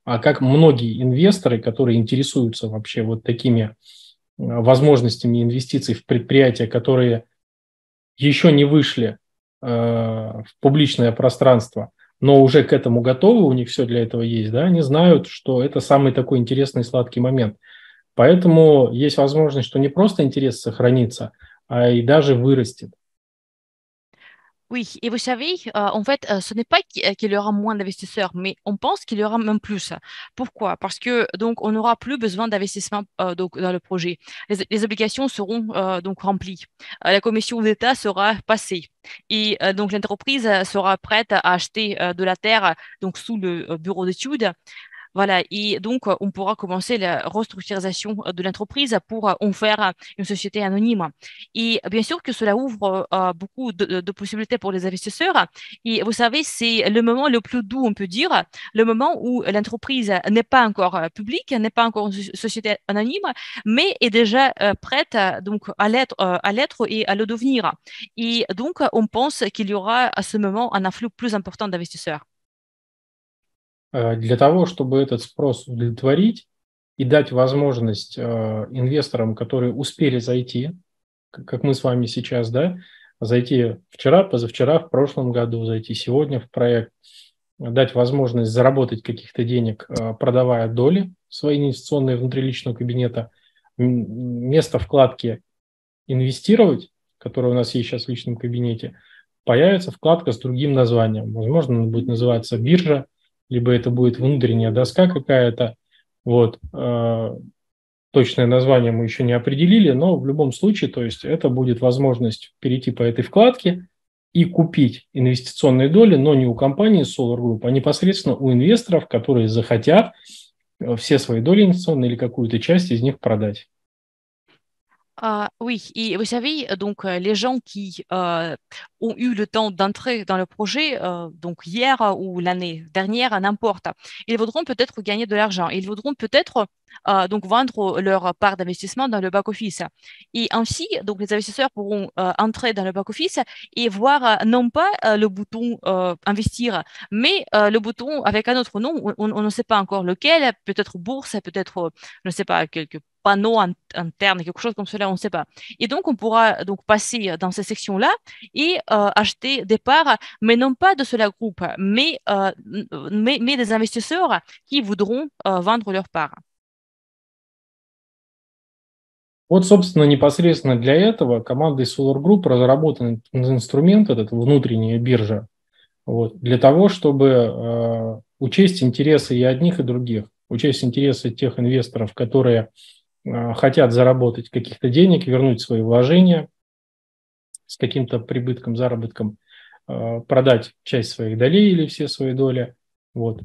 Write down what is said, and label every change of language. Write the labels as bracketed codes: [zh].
[ru] А как многие инвесторы, которые интересуются вообще вот такими возможностями инвестиций в предприятия, которые еще не вышли в публичное пространство, но уже к этому готовы, у них все для этого есть, да, они знают, что это самый такой интересный сладкий момент. Поэтому есть возможность, что не просто интерес сохранится, а и даже вырастет. [fr] Oui, et vous savez, en fait, ce n'est pas qu'il y aura moins d'investisseurs, mais on pense qu'il y aura même plus. Pourquoi? Parce que donc on n'aura plus besoin d'investissement donc dans le projet. Les obligations seront donc remplies. La commission d'État sera passée et donc l'entreprise sera prête à acheter de la terre donc sous le bureau d'études. Voilà, et donc on pourra commencer la restructuration de l'entreprise pour en faire une société anonyme. Et bien sûr que cela ouvre beaucoup de possibilités pour les investisseurs. Et vous savez, c'est le moment le plus doux, on peut dire, le moment où l'entreprise n'est pas encore publique, n'est pas encore une société anonyme, mais est déjà prête donc, à l'être et à le devenir. Et donc on pense qu'il y aura à ce moment un afflux plus important d'investisseurs. [ru] Для того, чтобы этот спрос удовлетворить и дать возможность инвесторам, которые успели зайти, как мы с вами сейчас, да, зайти вчера, позавчера, в прошлом году, зайти сегодня в проект, дать возможность заработать каких-то денег, продавая доли свои инвестиционные внутри личного кабинета, место вкладки «Инвестировать», которое у нас есть сейчас в личном кабинете, появится вкладка с другим названием. Возможно, она будет называться «Биржа», либо это будет внутренняя доска какая-то, вот, точное название мы еще не определили, но в любом случае, то есть это будет возможность перейти по этой вкладке и купить инвестиционные доли, но не у компании Solar Group, а непосредственно у инвесторов, которые захотят все свои доли инвестиционные или какую-то часть из них продать. [fr] Oui, et vous savez, donc, les gens qui ont eu le temps d'entrer dans le projet, donc hier ou l'année dernière, n'importe, ils voudront peut-être gagner de l'argent, ils voudront peut-être donc, vendre leur part d'investissement dans le back-office. Et ainsi, donc, les investisseurs pourront entrer dans le back-office et voir non pas le bouton investir, mais le bouton avec un autre nom, on ne sait pas encore lequel, peut-être bourse, peut-être, je ne sais pas, quelque part. Panneau interne, quelque chose comme cela, on ne sait pas. Et donc, on pourra donc passer dans ces sections-là et acheter des parts, mais non pas de cela groupe, mais des investisseurs qui voudront vendre leurs parts. [ru] Вот, собственно, непосредственно для этого командой Solar Group разработан инструмент, этот внутренняя биржа, вот, для того, чтобы учесть интересы и одних, и других, учесть интересы тех инвесторов, которые хотят заработать каких-то денег, вернуть свои вложения с каким-то прибытком, заработком, продать часть своих долей или все свои доли. Вот.